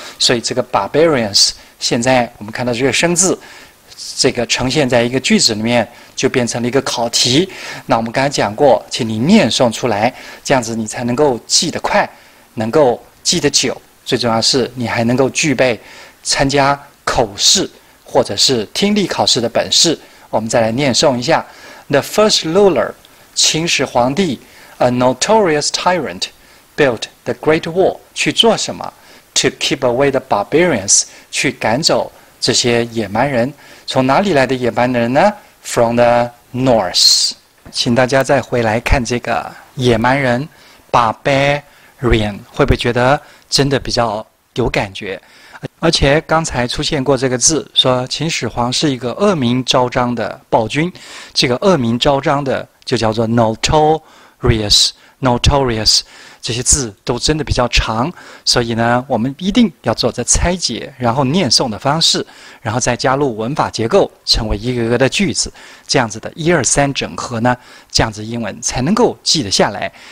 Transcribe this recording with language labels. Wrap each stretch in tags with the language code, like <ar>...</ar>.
<zh>所以这个 barbarians， 现在我们看到这个生字，这个呈现在一个句子里面，就变成了一个考题。那我们刚才讲过，请你念诵出来，这样子你才能够记得快，能够记得久，最重要是你还能够具备参加口试或者是听力考试的本事。我们再来念诵一下。</zh> <en>The first ruler, 秦始皇帝 a notorious tyrant, built the Great Wall,</en> <zh>去做什么？</zh> <en>To keep away the barbarians,</en> <zh>去赶走这些野蛮人。从哪里来的野蛮人呢？</zh> <en>From the north.</en> <zh>请大家再回来看这个野蛮人 barbarian， 会不会觉得真的比较有感觉？而且刚才出现过这个字，说秦始皇是一个恶名昭彰的暴君，这个恶名昭彰的就叫做 notorious， notorious， 这些字都真的比较长，所以呢，我们一定要做着拆解，然后念诵的方式，然后再加入文法结构，成为一个个的句子，这样子的一二三整合呢，这样子英文才能够记得下来。</zh>